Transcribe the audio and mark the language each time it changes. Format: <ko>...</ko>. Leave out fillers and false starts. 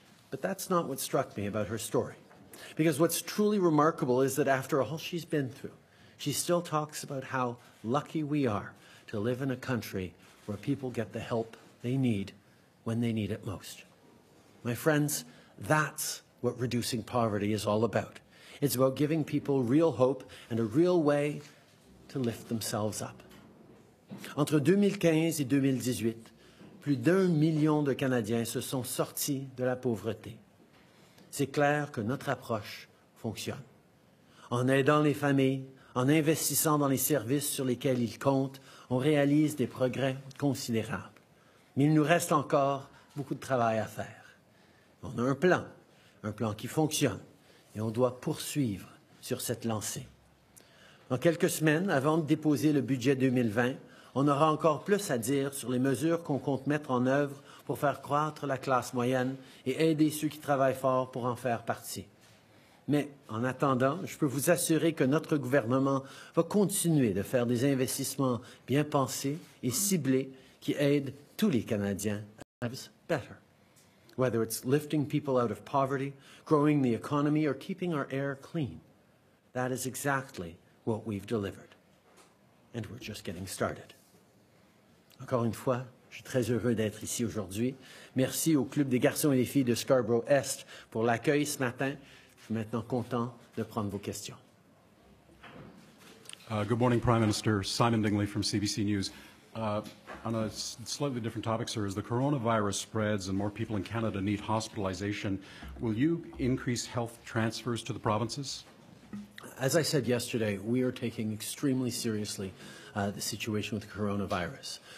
<en>But that's not what struck me about her story. Because what's truly remarkable is that after all she's been through, she still talks about how lucky we are to live in a country where people get the help they need when they need it most. My friends, that's what reducing poverty is all about. It's about giving people real hope and a real way to lift themselves up.</en> <fr>Entre 2015 et 2018, plus d'un million de Canadiens se sont sortis de la pauvreté. C'est clair que notre approche fonctionne. En aidant les familles, en investissant dans les services sur lesquels ils comptent, on réalise des progrès considérables. Mais il nous reste encore beaucoup de travail à faire. On a un plan qui fonctionne. Et on doit poursuivre sur cette lancée. Dans quelques semaines, avant de déposer le budget 2020, on aura encore plus à dire sur les mesures qu'on compte mettre en œuvre pour faire croître la classe moyenne et aider ceux qui travaillent fort pour en faire partie. Mais en attendant, je peux vous assurer que notre gouvernement va continuer de faire des investissements bien pensés et ciblés qui aident tous les Canadiens à vivre mieux.</fr> <en>Whether it's lifting people out of poverty, growing the economy, or keeping our air clean, that is exactly what we've delivered. And we're just getting started.</en> <fr>Encore une fois, je suis très heureux d'être ici aujourd'hui. Merci au Club des garçons et des filles de Scarborough Est pour l'accueil ce matin. Je suis maintenant content de prendre vos questions.</fr> <en>Good morning, Prime Minister. Simon Dingley from CBC News. On a slightly different topic, sir, as the coronavirus spreads and more people in Canada need hospitalization, will you increase health transfers to the provinces? As I said yesterday, we are taking extremely seriously the situation with coronavirus.</en>